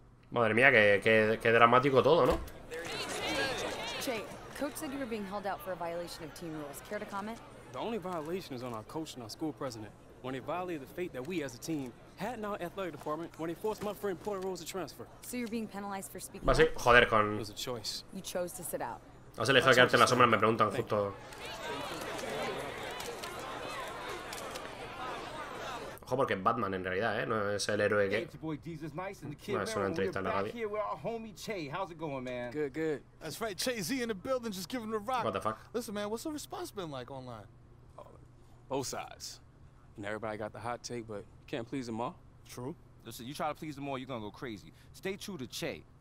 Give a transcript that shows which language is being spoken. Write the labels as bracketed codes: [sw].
[es] Madre mía, qué dramático todo, ¿no? [en] Coach said you were being held out for a violation of team rules. Care to comment? The only violation is on our coach and our school president. When they violated the fate that we as a team had in our athletic department, when they forced my friend Porter Rose to transfer. So you're being penalized for speaking. [es] Vas a joder con. [en] It was a choice. You chose to sit out. [es] Has elegido quedarte en la sombra. Me preguntan justo. Ojo, porque es Batman en realidad, ¿eh? No es el héroe que. No, es una entrevista en la radio. [en] Good. That's right, Che-Z in the building just giving a rock. What the fuck? Listen, man, what's the response been like online? Both sides. And everybody got the hot take, but you can't please them all. True. Listen, you try to please them all, you're gonna go crazy. Stay true to Che.